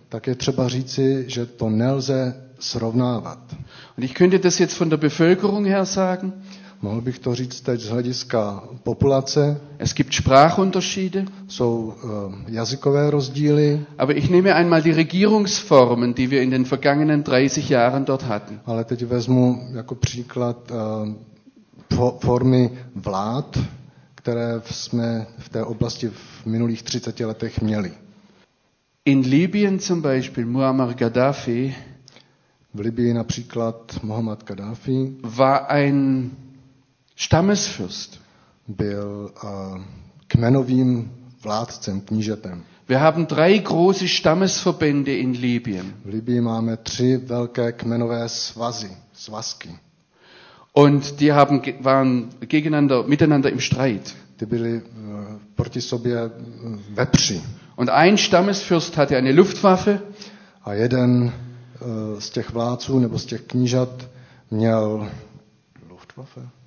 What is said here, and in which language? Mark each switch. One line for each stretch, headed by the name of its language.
Czech: Tak je třeba říci, že to nelze srovnávat.
German: Und ich könnte das jetzt von der Bevölkerung her sagen.
Czech: Mohl bych to říct teď z hlediska populace.
German: Es gibt Sprachunterschiede.
Czech: Jsou jazykové rozdíly.
German: Aber ich nehme einmal die Regierungsformen, die wir in den vergangenen 30 Jahren dort hatten.
Czech: Ale teď vezmu jako příklad formy vlád, které jsme v té oblasti v minulých 30 letech měli.
German: In Libyen zum Beispiel Muammar Gaddafi.
Czech: V Libyi například Muhammad Gaddafi.
German: War ein Stammesfürst.
Czech: Byl kmenovým vládcem, knížetem.
German: Wir haben drei große Stammesverbände in Libyen.
Czech: V Libyi máme tři velké kmenové svazy, svazky.
German: Und die haben waren gegeneinander miteinander im Streit.
Czech: Ty byli proti sobě ve při.
German: Und ein Stammesfürst hatte eine Luftwaffe.
Czech: A jeden z těch vládců nebo z těch knížat měl Luftwaffe.